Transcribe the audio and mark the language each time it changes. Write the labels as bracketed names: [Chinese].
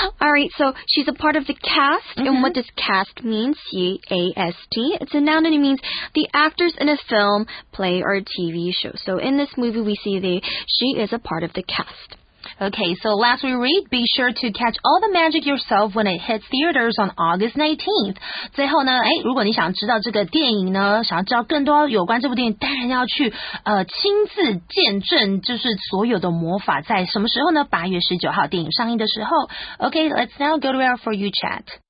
[English] All right, so she's a part of the cast.、Mm-hmm. And what does cast mean? C-A-S-T. It's a noun and it means the actors in a film, play, or TV show. So in this movie, we see she is a part of the cast. Okay, so last we read, be sure to catch all the magic yourself when it hits theaters on August 19th. [Chinese] 最后呢，哎，如果你想知道这个电影呢，想要知道更多有关这部电影，当然要去亲自见证，就是所有的魔法在什么时候呢？ 8月19号电影上映的时候。 [English] Okay, let's now go to our For You chat.